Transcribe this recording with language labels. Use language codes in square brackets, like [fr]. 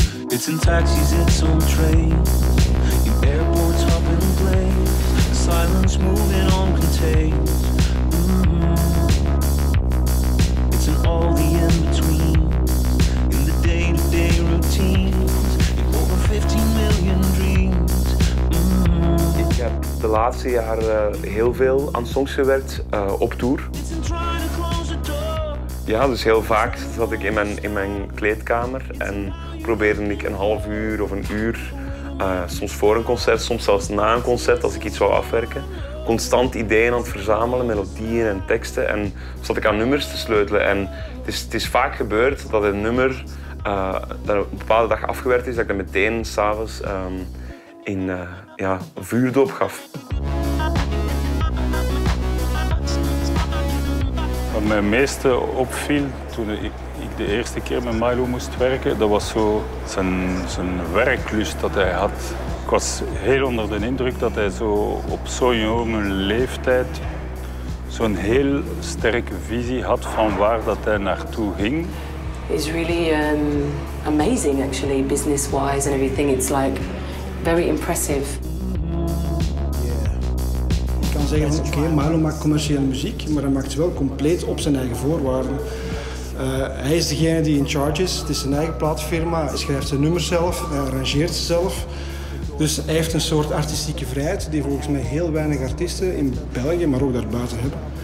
[en] It's in taxis, it's on trains, in airports, hopping planes, silence moving on contains. It's in all the in-between, in the day-to-day routines, in over 15 million dreams. [nl] Ik heb de laatste jaren heel veel aan songs gewerkt op tour. Ja, dus heel vaak zat ik in mijn kleedkamer en probeerde ik een half uur of een uur, soms voor een concert, soms zelfs na een concert als ik iets wou afwerken, constant ideeën aan het verzamelen, melodieën en teksten en zat ik aan nummers te sleutelen. En het is vaak gebeurd dat een nummer dat een bepaalde dag afgewerkt is, dat ik dat meteen s'avonds een vuurdoop gaf. Wat mij meeste opviel toen ik de eerste keer met Milo moest werken, dat was zo zijn werklust dat hij had. Ik was heel onder de indruk dat hij zo op zo'n jonge leeftijd zo'n heel sterke visie had van waar dat hij naartoe ging. [en] It's really amazing actually, business wise and everything. It's like very impressive. Yeah. [nl] zeggen van oké, Milo maakt commerciële muziek, maar hij maakt ze wel compleet op zijn eigen voorwaarden. Hij is degene die [en] in charge [nl] is, het is zijn eigen plaatfirma, hij schrijft zijn nummers zelf, hij arrangeert ze zelf. Dus hij heeft een soort artistieke vrijheid die volgens mij heel weinig artiesten in België, maar ook daarbuiten hebben.